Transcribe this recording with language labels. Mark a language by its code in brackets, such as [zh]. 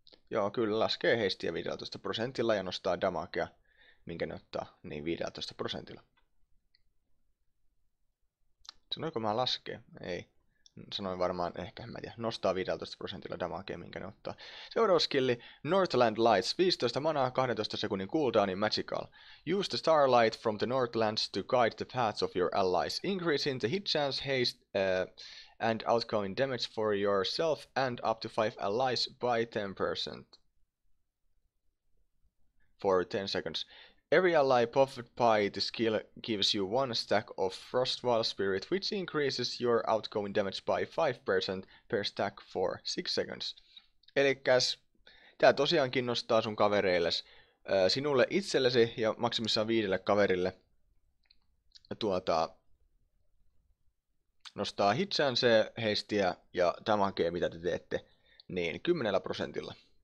[fi] Joo, kyllä laskee heistiä 15% ja nostaa damagea. Minkä ne ottaa, niin 15%. Sanoinko mä laskee? Ei. Sanoin varmaan, ehkä en mä tiedä. Nostaa 15% damagea, minkä ne ottaa. Seuraava skilli, Northland Lights, 15 manaa, 12 sekunnin cooldowni, magical. [en] Use the starlight from the Northlands to guide the paths of your allies. Increasing the hit chance, haste and outgoing damage for yourself and up to 5 allies by 10%. For 10 seconds. Every ally buffed by the skill gives you one stack of Frostwall Spirit, which increases your outgoing damage by 5% per stack for 6 seconds. [fi] Elikäs, tää tosiaankin nostaa sun kavereilles, sinulle itsellesi ja maksimissaan 5 kaverille, nostaa hitsäänse heistiä ja damagea, mitä te teette, niin 10%.